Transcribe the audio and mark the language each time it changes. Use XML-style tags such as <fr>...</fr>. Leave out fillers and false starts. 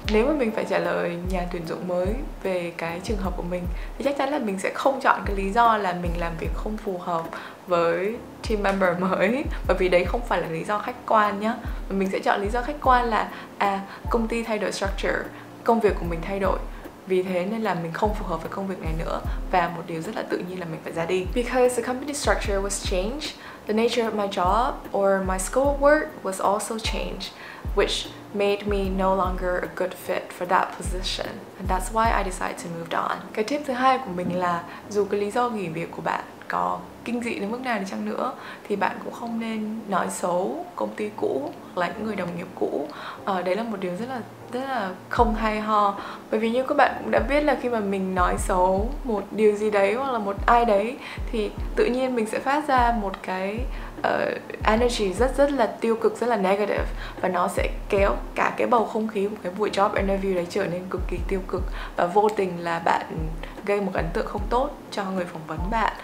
<vi>Nếu mà mình phải trả lời nhà tuyển dụng mới về cái trường hợp của mình thì chắc chắn là mình sẽ không chọn cái lý do là mình làm việc không phù hợp với team member mới, bởi vì đấy không phải là lý do khách quan nhá. Mình sẽ chọn lý do khách quan là công ty thay đổi structure, công việc của mình thay đổi, vì thế nên là mình không phù hợp với công việc này nữa, và một điều rất là tự nhiên là mình phải ra đi.</vi> <en>Because the company structure was changed, the nature of my job or my scope of work was also changed, which made me no longer a good fit for that position, and that's why I decided to move on.</en> <vi>Cái tip thứ hai của mình là dù cái lý do nghỉ việc của bạn có kinh dị đến mức nào đi chăng nữa thì bạn cũng không nên nói xấu công ty cũ hoặc là những người đồng nghiệp cũ. Đấy là một điều rất là không hay ho, bởi vì như các bạn cũng đã biết là khi mà mình nói xấu một điều gì đấy hoặc là một ai đấy thì tự nhiên mình sẽ phát ra một cái energy rất là tiêu cực, rất là negative, và nó sẽ kéo cả cái bầu không khí của cái buổi job interview đấy trở nên cực kỳ tiêu cực, và vô tình là bạn gây một ấn tượng không tốt cho người phỏng vấn bạn.</vi>